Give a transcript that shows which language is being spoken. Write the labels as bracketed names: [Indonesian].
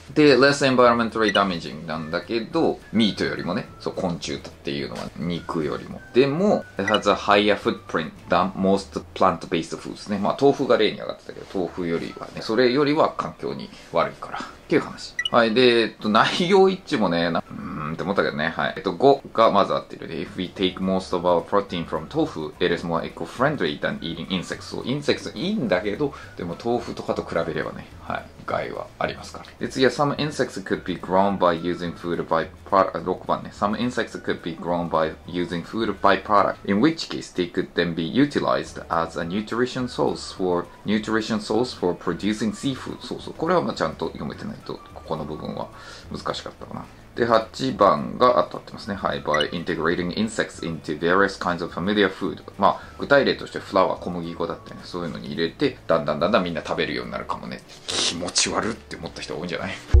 [Japanese] で、 [English] less environmentally damaging [Japanese] なんだけど、ミートよりもね、そう、昆虫っていうのは、肉よりも。 [English] でも、it has a higher footprint than most plant-based foods ね。 [Japanese] まあ、豆腐が例に上がってたけど、豆腐よりはね、それよりは環境に悪いから。っていう話。はい。で、内容一致もね、って思ったけどね。はい。 5がまず合ってる。 [English] If we take most of our protein from tofu, it is more eco-friendly than eating insects. [Japanese] So, insects いいんだけど、でも豆腐とかと比べればね、はい。害はありますから。で、次は、 [English] some insects could be grown by using food byproduct, [Japanese] 6番ね。 [English] Some insects could be grown by using food byproduct, in which case they could then be utilized as a nutrition source for producing seafood. [Japanese] そうそう。これはまあちゃんと読めてないと、ここの部分は難しかったかな。で、8番が当たってますね。はい。 [English] By integrating insects into various kinds of familiar food. [Japanese] まあ、具体例として、フラワー、小麦粉だったりね、そういうのに入れて、だんだんみんな食べるようになるかもね。気持ち悪って思った人多いんじゃない？